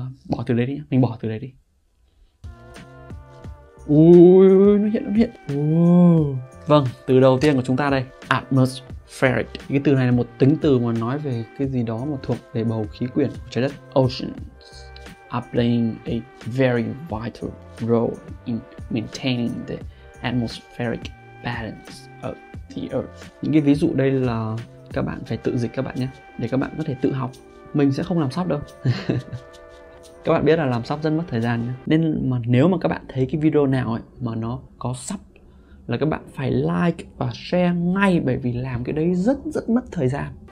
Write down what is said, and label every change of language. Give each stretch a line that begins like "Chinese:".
Vietnamese: Bỏ từ đấy đi, mình bỏ từ đấy đi. Ui, nó hiện. Vâng, từ đầu tiên của chúng ta đây. Atmospheric. Cái từ này là một tính từ mà nói về cái gì đó mà thuộc về bầu khí quyển của trái đất.
English: Ocean are playing a very vital role in maintaining the atmospheric balance of the earth.
Vietnamese: Những cái ví dụ đây là các bạn phải tự dịch các bạn nhé, để các bạn có thể tự học. Mình sẽ không làm sắp đâu. Các bạn biết là làm sắp rất mất thời gian nhé. Nên mà nếu mà các bạn thấy cái video nào ấy mà nó có sắp là các bạn phải like và share ngay, bởi vì làm cái đấy rất rất mất thời gian.